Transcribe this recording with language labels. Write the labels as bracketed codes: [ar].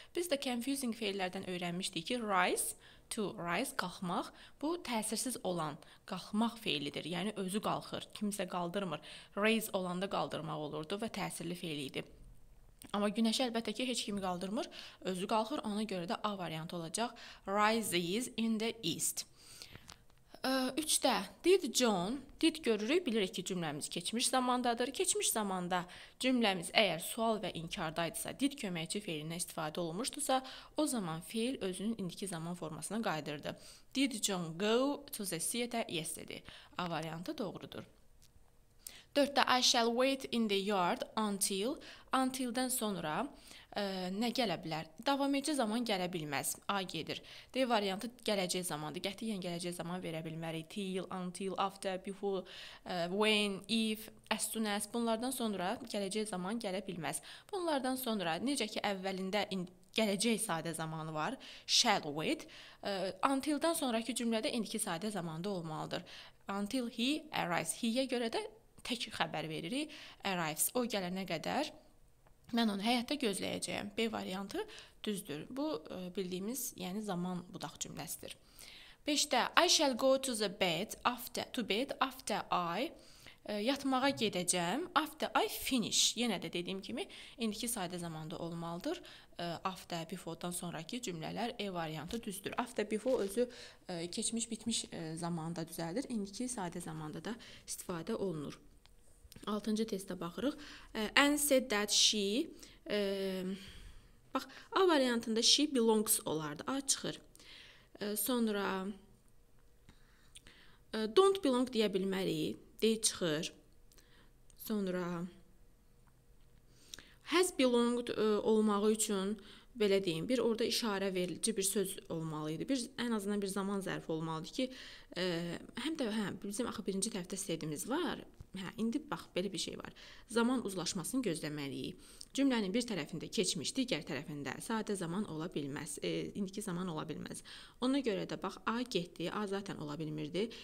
[az] Biz də confusing feillərdən öyrənmişdik ki, rise, to rise, qalxmaq, bu təsirsiz olan qalxmaq feilidir. Yəni, özü qalxır, kimsə qaldırmır. Raise olanda qaldırmaq olurdu və təsirli feilidir. Amma günəşi əlbəttə ki, heç kimi qaldırmır, özü qalxır, ona görə də A variantı olacaq. [en] Rises in the east. [az] Üçdə, did John, did görürük, bilirik ki, cümləmiz keçmiş zamandadır. Keçmiş zamanda cümləmiz əgər sual və inkardaydısa, did köməkçi feilinə istifadə olmuşdursa, o zaman feil özünün indiki zaman formasına qayıdırdı. Did John go to the theater yesterday? A variantı doğrudur. Dördə, [en] I shall wait in the yard until, until- [az] dən sonra nə gələ bilər? Davam edici zaman gələ bilməz. A gedir. D variantı gələcək zamandır. Qətiyyən gələcək zaman verə bilmərik. [en] Till, until, after, before, when, if, as soon as. [az] Bunlardan sonra gələcək zaman gələ bilməz. Bunlardan sonra necə ki əvvəlində gələcək sadə zamanı var. [en] Shall wait. [az] Until-dən sonraki cümlədə indiki sadə zamanda olmalıdır. [en] Until he arrives. [az] He-yə görə də tək xəbər veririk. Arrives. O gələnə qədər mən onu həyatda gözləyəcəyəm. B variantı düzdür. Bu, bildiyimiz, yəni zaman budaq cümləsidir. 5-də, [en] I shall go to the bed after, to bed after I, [az] yatmağa gedəcəm, [en] after I finish. [az] Yenə də dediyim kimi, indiki sadə zamanda olmalıdır. After, before-dan sonraki cümlələr E variantı düzdür. After, before özü keçmiş, bitmiş zamanda düzəlir. İndiki sadə zamanda da istifadə olunur. 6-cı testə baxırıq. [en] Anne said that she [az] bax, A variantında [en] she belongs [az] olardı. A çıxır. Sonra [en] don't belong [az] deyə bilmərik. D çıxır. Sonra [en] has belonged [az] olmağı üçün belə deyim, bir orada işarə verici bir söz olmalıydı. Bir, ən azından bir zaman zərfi olmalıdır ki, həm də hə, bizim axı birinci tərəfdə sədimiz var. Hə, indi bax, belə bir şey var. Zaman uzlaşmasını gözləməliyik. Cümlənin bir tərəfində keçmiş, digər tərəfində sadə zaman ola bilməz. İndiki zaman ola bilməz. Ona görə də bax, A getdi, A zaten ola bilmirdi.